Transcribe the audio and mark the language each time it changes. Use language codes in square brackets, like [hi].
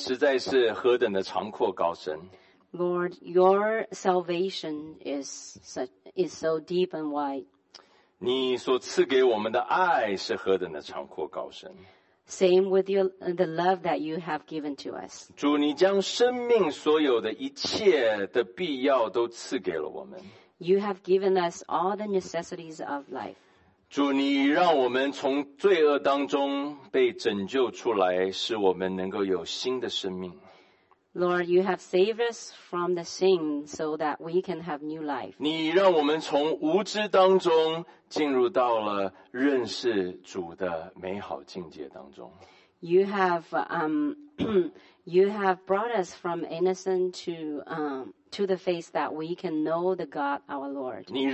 [zh] 主啊，你的救恩实在是何等的长阔高深。 [en] Lord, your salvation is so deep and wide. [zh] 你所赐给我们的爱是何等的长阔高深。 [en] Same with the love that you have given to us. [zh] 主，你将生命所有的一切的必要都赐给了我们。 [en] You have given us all the necessities of life. [zh] 主，你让我们从罪恶当中被拯救出来，使我们能够有新的生命。 [en] Lord, you have saved us from the sin so that we can have new life. [zh] 你让我们从无知当中进入到了认识主的美好境界当中。 [en] You have brought us from innocent to the face that we can know the God our Lord.